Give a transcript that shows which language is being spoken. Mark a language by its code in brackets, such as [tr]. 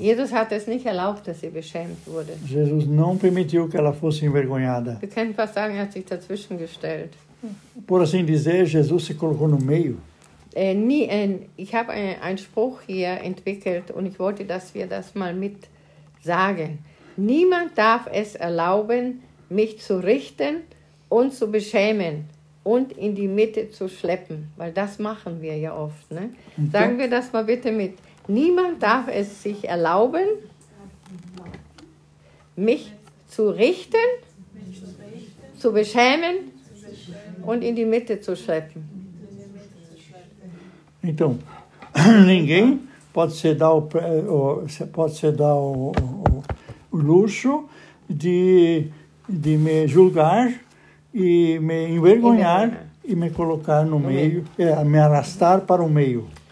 [de] Jesus hat es nicht erlaubt, dass sie beschämt wurde. [pt] Jesus não permitiu que ela fosse envergonhada. [de] Wir können fast sagen, er hat sich dazwischen gestellt. [pt] Por assim dizer, Jesus se colocou no meio. [de] Ich habe einen Spruch hier entwickelt und ich wollte, dass wir das mal mit sagen. Niemand darf es erlauben, mich zu richten und zu beschämen und in die Mitte zu schleppen. Weil das machen wir ja oft. Ne? Sagen wir das mal bitte mit. Niemand darf es sich erlauben, mich zu richten, zu beschämen und in die Mitte zu schleppen. [pt] Então, ninguém pode se dar o luxo de me julgar e me envergonhar e me colocar no meio, me arrastar para o meio.